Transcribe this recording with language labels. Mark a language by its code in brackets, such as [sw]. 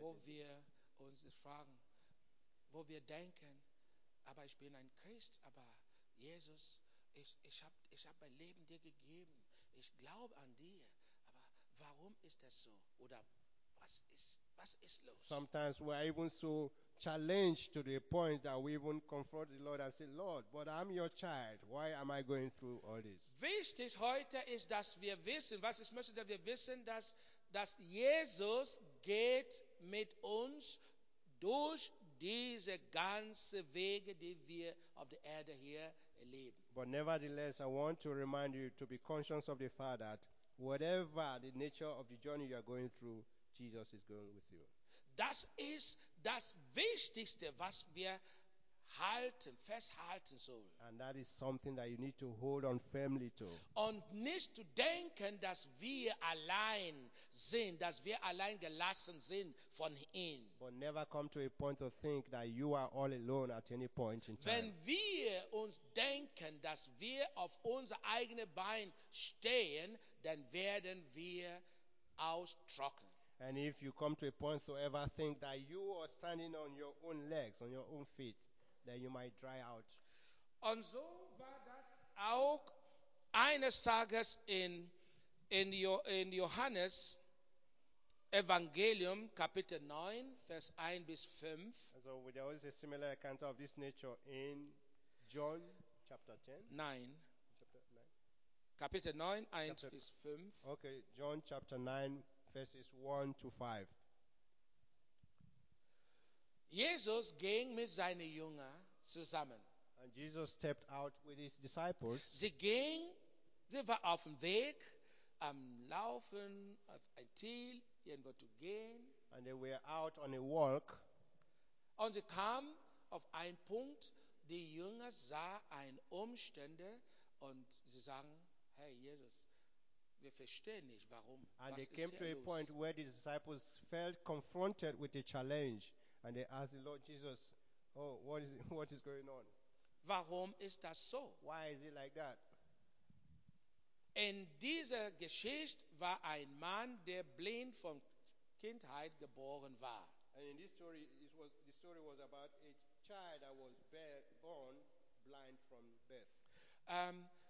[de] Wo wir uns fragen, wo wir denken, aber ich bin ein Christ, aber Jesus, ich hab mein Leben dir gegeben. Ich glaube an dir, aber warum ist das so? Oder was ist los? [en] Sometimes we are even so challenged to the point that we even confront the Lord and say, Lord, but I'm your child. Why am I going through all this? [de] Wichtig heute ist, dass wir wissen, was ich möchte, dass wir wissen, dass Jesus geht mit uns durch diese ganze Wege, die wir auf der Erde hier erleben. [en] But nevertheless, I want to remind you to be conscious of the fact that whatever the nature of the journey you are going through, Jesus is going with you. [de] Das ist das Wichtigste, was wir festhalten sollen. [en] And that is something that you need to hold on firmly to. [de] Und nicht zu denken, dass wir allein sind, dass wir allein gelassen sind von ihm. [en] But never come to a point to think that you are all alone at any point in time. [de] Wenn wir uns denken, dass wir auf unser eigenes Bein stehen, dann werden wir austrocknen. [en] And if you come to a point to ever think that you are standing on your own legs, on your own feet, then you might dry out. [de] Und so war das auch eines Tages in Johannes Evangelium, Kapitel 9, Vers 1 bis 5. [en] And so there was a similar account of this nature in John, chapter 10. [de] 9. Kapitel 9, 1 chapter, bis 5. [en] Okay, John, chapter 9, verses 1 to 5. [de] Jesus ging mit seinen Jüngern zusammen. [en] And Jesus stepped out with his disciples. [de] Sie waren auf dem Weg, am Laufen, auf ein Ziel, irgendwo zu gehen. [en] And they were out on a walk. [de] Und sie kamen auf einen Punkt, die Jünger sahen eine Umstände und sie sagen, hey Jesus, wir verstehen nicht, warum. [en] And [de] was [en] they came to a [de] los? [en] Point where the disciples felt confronted with the challenge and they asked the Lord Jesus, oh, what is going on? [de] Warum ist das so? [en] Why is it like that? [de] In dieser Geschichte war ein Mann, der blind von Kindheit geboren war. [en] And in this story, the story was about a child that was born blind from birth.